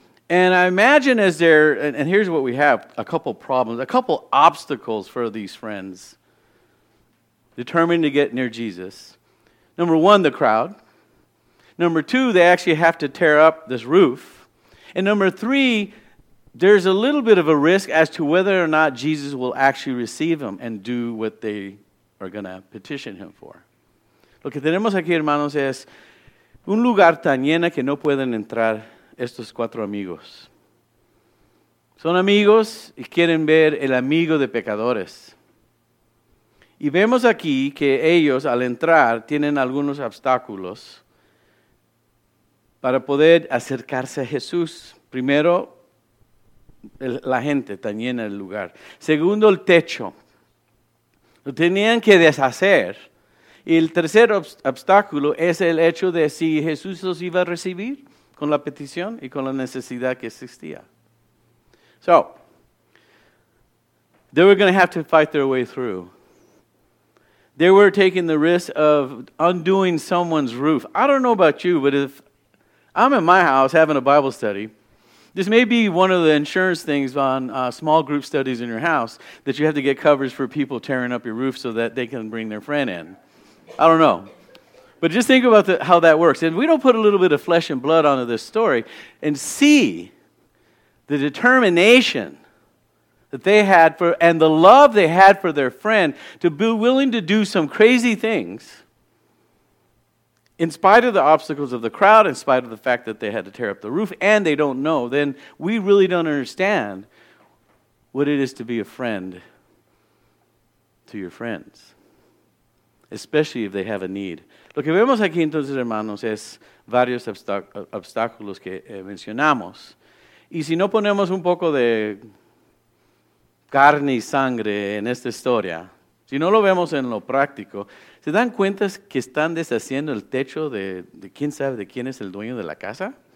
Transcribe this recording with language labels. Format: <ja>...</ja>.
<en>And I imagine as they're, and here's what we have, a couple problems, a couple obstacles for these friends determined to get near Jesus. Number one, the crowd. Number two, they actually have to tear up this roof. And number three, there's a little bit of a risk as to whether or not Jesus will actually receive them and do what they are going to petition him for.</en> <es>Lo que tenemos aquí, hermanos, es un lugar tan lleno que no pueden entrar estos cuatro amigos. Son amigos y quieren ver el amigo de pecadores. Y vemos aquí que ellos, al entrar, tienen algunos obstáculos para poder acercarse a Jesús. Primero, la gente tan llena del lugar. Segundo, el techo. Lo tenían que deshacer. Y el tercer obstáculo es el hecho de si Jesús los iba a recibir con la petición y con la necesidad que existía.</es> <en>So, they were going to have to fight their way through. They were taking the risk of undoing someone's roof. I don't know about you, but if I'm in my house having a Bible study, this may be one of the insurance things on small group studies in your house, that you have to get coverage for people tearing up your roof so that they can bring their friend in. I don't know. But just think about how that works. And we don't put a little bit of flesh and blood onto this story and see the determination that they had for, and the love they had for their friend, to be willing to do some crazy things in spite of the obstacles of the crowd, in spite of the fact that they had to tear up the roof and they don't know, then we really don't understand what it is to be a friend to your friends, especially if they have a need.</en> <es>Lo que vemos aquí entonces, hermanos, es varios obstáculos que mencionamos. Y si no ponemos un poco de carne y sangre en esta historia, si no lo vemos en lo práctico, ¿se dan cuenta que están deshaciendo el techo de quién sabe de quién es el dueño de la casa?</es>